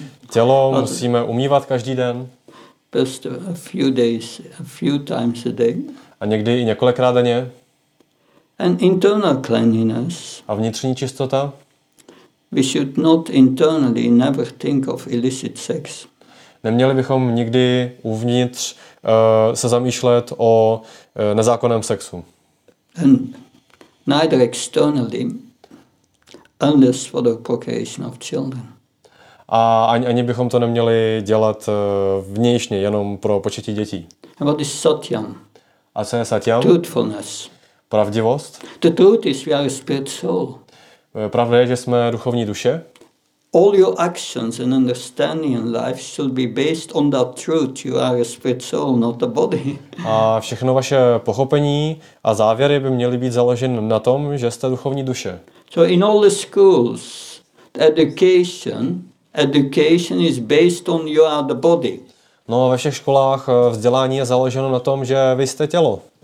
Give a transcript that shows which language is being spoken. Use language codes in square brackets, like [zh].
[cs] Tělo musíme umývat každý den. [en] Just a few days, a few times a day. [cs] A někdy i několikrát denně. [en] And internal cleanliness. [cs] A vnitřní čistota. [en] We should not internally never think of illicit sex. [cs] Neměli bychom nikdy uvnitř se zamýšlet o nezákonném sexu. [en] And neither externally, unless for the procreation of children. [cs] A ani bychom to neměli dělat vnějšně, jenom pro početí dětí. [en] And what is satyam? [cs] A co je satyam? [en] Truthfulness. [cs] Pravdivost. [en] The truth is we are a spirit soul. [cs] Pravda je, že jsme duchovní duše. [en] All your actions and understanding in life should be based on that truth. You are a spirit soul, not a body. [cs] A všechno vaše pochopení a závěry by měly být založeny na tom, že jste duchovní duše. [en] So in all the schools, the education is based on you are the body. [cs] No, ve všech školách vzdělání je založeno na tom, že vy jste tělo.